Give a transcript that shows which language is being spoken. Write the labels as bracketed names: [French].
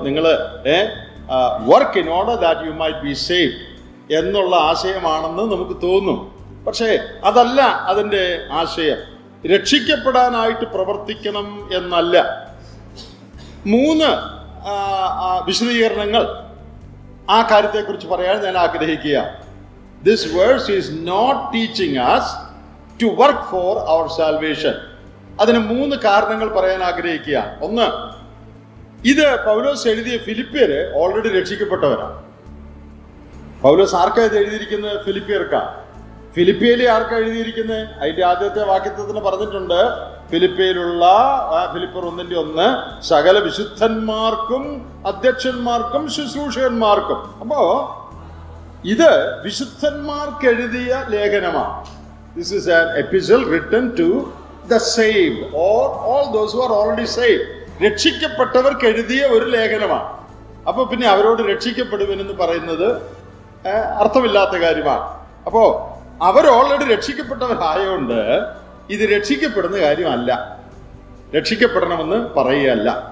[Malayalam] നിങ്ങൾ [English] work in order that you might be save [Malayalam] എന്നുള്ള ആശയമാണെന്ന് നമുക്ക് തോന്നും. പക്ഷേ അതല്ല അതിൻ്റെ ആശയം. രക്ഷിക്കപ്പെടാനായിട്ട് പ്രവർത്തിക്കണം എന്നല്ല. 3 വിശദീകരണങ്ങൾ ആ കാര്യത്തെക്കുറിച്ച് പറയാൻ ഞാൻ ആഗ്രഹിക്കുക. [English] This verse is not teaching us to work for our salvation. [Malayalam] അതിന് 3 കാരണങ്ങൾ പറയാൻ ആഗ്രഹിക്കുക. 1, ഇത് പൗലോസ് എഴുതിയ ഫിലിപ്പിയര് ഓൾറെഡി രക്ഷിക്കപ്പെട്ടവരാണ്. പൗലോസ് ആർക്കാണ് ഇത് എഴുതിയിരിക്കുന്നത്? ഫിലിപ്പിയർക്കാണ്. ഫിലിപ്പിയയിലെ ആർക്കാണ് എഴുതിയിരിക്കുന്നത്? അതിൻ്റെ ആദ്യത്തെ വാക്യത്തിൽ തന്നെ പറഞ്ഞിട്ടുണ്ട്, ഫിലിപ്പിയയിലുള്ള ഫിലിപ്പിയർ 1:1, സകല വിശുദ്ധന്മാർക്കും അധ്യക്ഷന്മാർക്കും ശുശ്രൂഷകന്മാർക്കും. അപ്പോ ഇത് വിശുദ്ധന്മാർക്കെഴുതിയ ലേഖനമാണ്. [English] This is an epistle written to the saved or all those who are already saved. [Malayalam] രക്ഷിക്കപ്പെട്ടവർക്കെഴുതിയ ഒരു ലേഖനമാണ്. അപ്പൊ പിന്നെ അവരോട് രക്ഷിക്കപ്പെടുവെന്ന് പറയുന്നത് അർത്ഥമില്ലാത്ത കാര്യമാണ്. അപ്പോ അവർ ഓൾറെഡി രക്ഷിക്കപ്പെട്ടവരായതുകൊണ്ട് ഇത് രക്ഷിക്കപ്പെടുന്ന കാര്യമല്ല, രക്ഷിക്കപ്പെടണമെന്ന് പറയുകയല്ല.